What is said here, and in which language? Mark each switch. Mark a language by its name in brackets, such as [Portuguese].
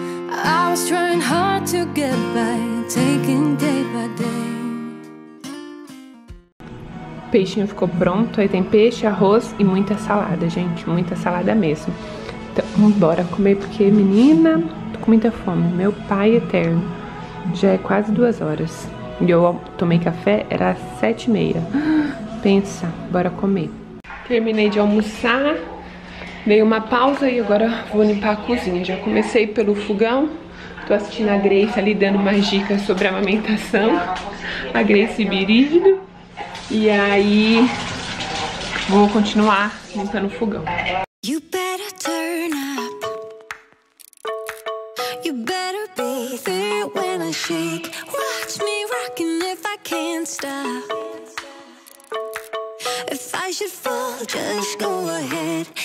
[English] I was trying hard to get by, taking day by day. [Portuguese] O peixinho ficou pronto, aí tem peixe, arroz e muita salada, gente, muita salada mesmo. Então, bora comer, porque, menina, tô com muita fome, meu pai eterno. Já é quase 2 horas. E eu tomei café, era 7h30. Pensa, bora comer. Terminei de almoçar, dei uma pausa e agora vou limpar a cozinha. Já comecei pelo fogão. Tô assistindo a Grace ali dando umas dicas sobre a amamentação. A Grace Birígido. E aí vou continuar limpando o fogão. [English] You better turn up. You better be there when I shake. Watch me rocking if I can't stop. If I should fall, just go ahead.